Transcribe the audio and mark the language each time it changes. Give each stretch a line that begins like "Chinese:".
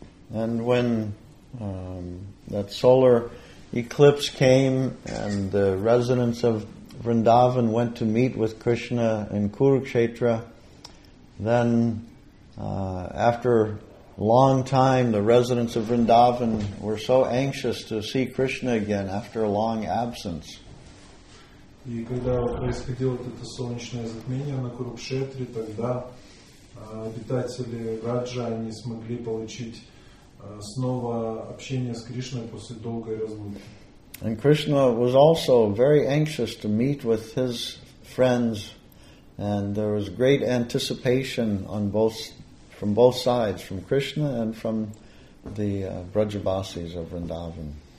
English: And when that solar eclipse came and the residents of Vrindavan went to meet with Krishna in Kurukshetra, then, after long time, the residents of Vrindavan were so anxious to see Krishna again after a long absence.
Russian: И когда происходило это солнечное затмение на Курукшетре, тогда обитатели Раджа не смогли получить снова общение с Кришной после долгой разлуки.
English: And Krishna was also very anxious to meet with his friends. And there was great anticipation on from both sides, from Krishna and from the Brajavasis of Vrindavan.